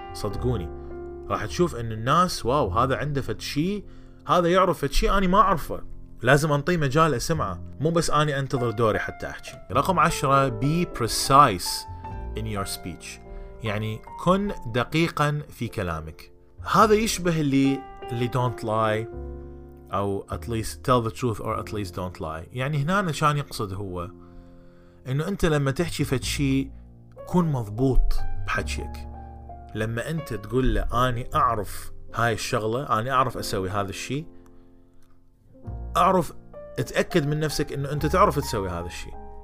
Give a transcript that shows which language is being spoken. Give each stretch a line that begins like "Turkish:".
Arabic: صدقوني راح تشوف ان الناس واو هذا عنده فد شيء، هذا يعرف فد شيء انا ما اعرفه، لازم انطيه مجال اسمعه، مو بس انا انتظر دوري حتى احكي. رقم 10
English: be precise in your speech،
Arabic: يعني كن دقيقا في كلامك. هذا يشبه اللي
English: don't lie
Arabic: او
English: at least tell the truth or at least don't lie.
Arabic: يعني هنا شان يقصد هو انه انت لما تحكي فد شيء كن مضبوط بحكيك. لما انت تقول له اني اعرف هاي الشغلة، اني اعرف اسوي هذا الشيء، اعرف، اتأكد من نفسك انه انت تعرف تسوي هذا الشيء.